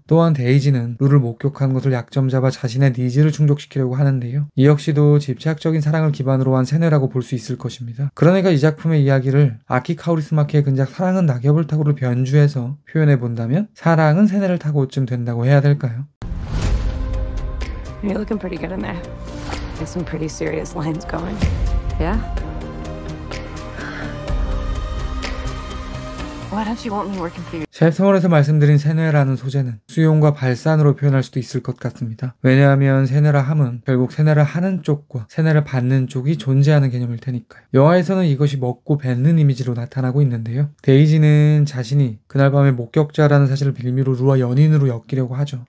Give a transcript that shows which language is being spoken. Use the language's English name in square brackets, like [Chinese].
[Korean] 또한 데이지는 룰을 목격한 것을 약점 잡아 자신의 니즈를 충족시키려고 하는데요. 이 역시도 집착적인 사랑을 기반으로 한 세뇌라고 볼 수 있을 것입니다. 그러니까 이 작품의 이야기를 아키 카우리스마키의 근작 사랑은 낙엽을 타고를 변주해서 표현해 본다면 사랑은 세뇌를 타고쯤 된다고 해야 될까요? [English] You're looking pretty good in there. There's some pretty serious lines going. Yeah? Why don't you want me working for you? [Korean] 챕터1에서 말씀드린 세뇌라는 소재는 수용과 발산으로 표현할 수도 있을 것 같습니다. 왜냐하면 세뇌라 함은 결국 세뇌를 하는 쪽과 세뇌를 받는 쪽이 존재하는 개념일 테니까요. 영화에서는 이것이 먹고 뱉는 이미지로 나타나고 있는데요. 데이지는 자신이 그날 밤에 목격자라는 사실을 빌미로 루와 연인으로 엮이려고 하죠.